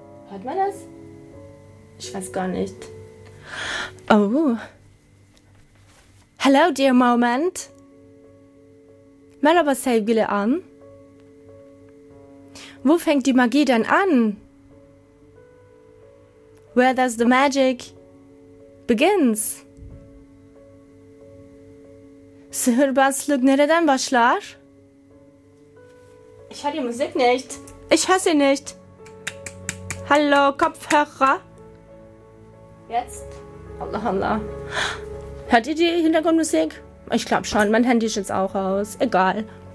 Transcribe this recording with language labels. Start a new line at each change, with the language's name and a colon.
German: Hört man das? Ich weiß gar nicht. Oh.
English: Hello, dear Moment.
Turkish: Merhaba sevgili an.
German: Wo fängt die Magie denn an?
English: Where does the magic begins?
Turkish: Sihirbazlık nereden başlar?
German: Ich höre die Musik nicht. Ich höre sie nicht. Hallo, Kopfhörer. Jetzt?
Turkish: Allah, Allah.
German: Hört ihr die Hintergrundmusik? Ich glaube schon, mein Handy ist jetzt auch aus. Egal.